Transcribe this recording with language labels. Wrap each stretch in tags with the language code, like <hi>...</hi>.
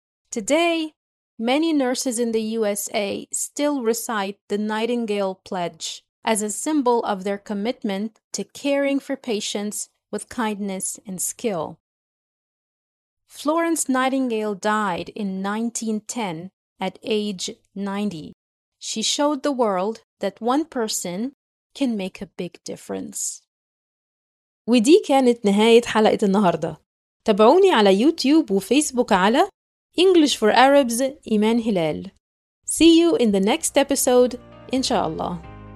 <en>Today, many nurses in the USA still recite the Nightingale Pledge as a symbol of their commitment to caring for patients with kindness and skill. Florence Nightingale died in 1910 at age 90. She showed the world that one person can make a big difference.</en> <ar>ودي كانت نهاية حلقة النهاردة. تابعوني على يوتيوب وفيسبوك على</ar> <en>English for Arabs, Iman Hilal. See you in the next episode, inshallah.</en>